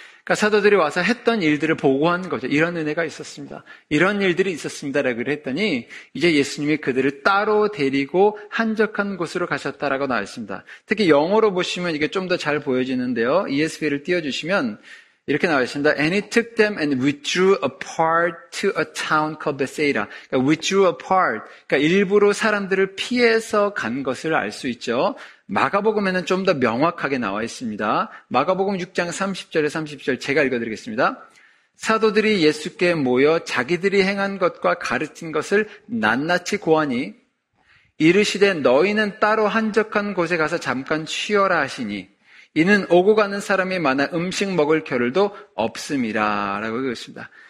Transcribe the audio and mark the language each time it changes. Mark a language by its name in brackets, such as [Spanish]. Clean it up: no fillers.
[Korean] 그러니까 사도들이 와서 했던 일들을 보고한 거죠. 이런 은혜가 있었습니다. 이런 일들이 있었습니다라고 했더니 이제 예수님이 그들을 따로 데리고 한적한 곳으로 가셨다라고 나와 있습니다. 특히 영어로 보시면 이게 좀 더 잘 보여지는데요. ESV를 띄워주시면 이렇게 나와 있습니다. [English] And he took them and withdrew apart to a town called Bethsaida. [Korean] 그러니까 [English] withdrew apart. [Korean] 그러니까 일부러 사람들을 피해서 간 것을 알 수 있죠. 마가복음에는 좀 더 명확하게 나와 있습니다. 마가복음 6장 30절에 30절 제가 읽어드리겠습니다. 사도들이 예수께 모여 자기들이 행한 것과 가르친 것을 낱낱이 고하니 이르시되 너희는 따로 한적한 곳에 가서 잠깐 쉬어라 하시니 이는 오고 가는 사람이 많아 음식 먹을 겨를도 없음이라 라고 읽었습니다.